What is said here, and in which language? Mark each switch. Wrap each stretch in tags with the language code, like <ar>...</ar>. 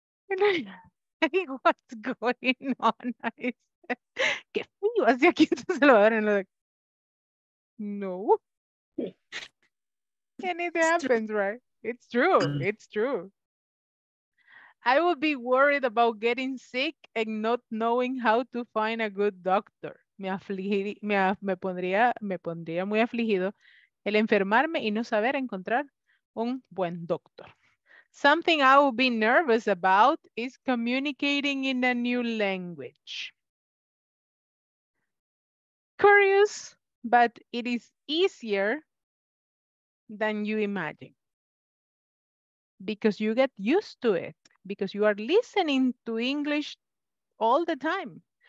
<en>And I'm like, what's going on?</en> <es>¿Qué frío hace aquí en San Salvador?</es> <en>And I'm like, no. Anything happens, right? It's true. I would be worried about getting sick and not knowing how to find a good doctor.</en> <es>Me pondría muy afligido el enfermarme y no saber encontrar un buen doctor.</es> <en>Something I would be nervous about is communicating in a new language. Curious, but it is easier than you imagine. Because you get used to it, because you are listening to English all the time.</en>